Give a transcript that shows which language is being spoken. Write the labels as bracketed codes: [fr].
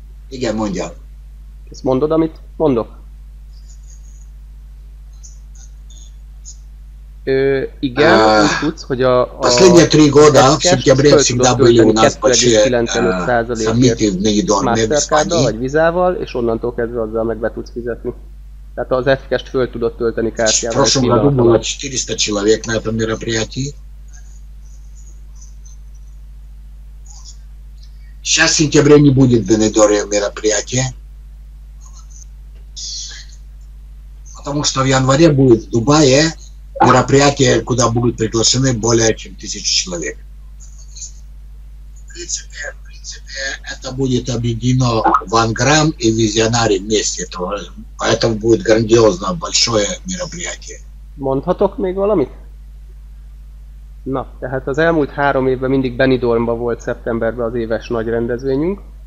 [hu] Igen, mondja. Ezt mondod, amit mondok? Igen, tudsz, hogy a [ru] последние три года в сентябре всегда были у нас большие саммиты в Нигидорме в Испании. [hu] Vagy vizával, és onnantól kezdve azzal meg be tudsz fizetni. Tehát az FK-st föl tudod tölteni kártyával. [ru] Прошлом году было 400 человек на этом мероприятии. Сейчас в сентябре не будет в Нигидорме мероприятия. Потому что в январе будет в Дубае мероприятия, куда будут приглашены более чем 1000 человек. В принципе, это будет объединено ванграм и визионари вместе. Поэтому будет грандиозно большое мероприятие. [hu] Mondhatok még valamit? Na, tehát az elmúlt 3 évben mindig Benidormban volt szeptemberben az éves nagy rendezvényünk.